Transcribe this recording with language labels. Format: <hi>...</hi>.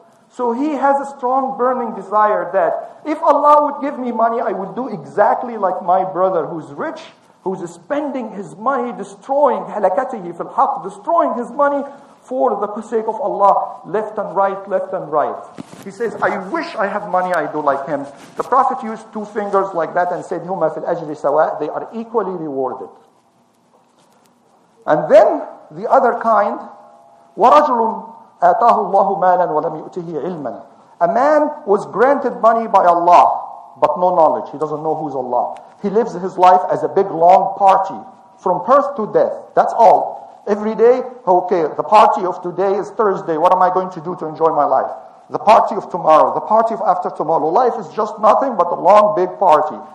<en>So he has a strong burning desire that if Allah would give me money, I would do exactly like my brother who's rich, who's spending his money, destroying</en> <ar>halakatihi fil haq,</ar> <en>destroying his money for the sake of Allah, left and right. He says, I wish I have money, I do like him. The Prophet used two fingers like that and said,</en> <ar>huma fil ajri sawa,</ar> <en>they are equally rewarded. And then the other kind,</en> <ar>وَرَجُلٌ أَتَاهُ اللَّهُ مَالًا وَلَمْ يُؤْتِهِ عِلْمًا.</ar> <en>A man was granted money by Allah, but no knowledge. He doesn't know who's Allah. He lives his life as a big long party, from birth to death. That's all. Every day, okay, the party of today is Thursday. What am I going to do to enjoy my life? The party of tomorrow, the party of after tomorrow. Life is just nothing but a long big party.</en>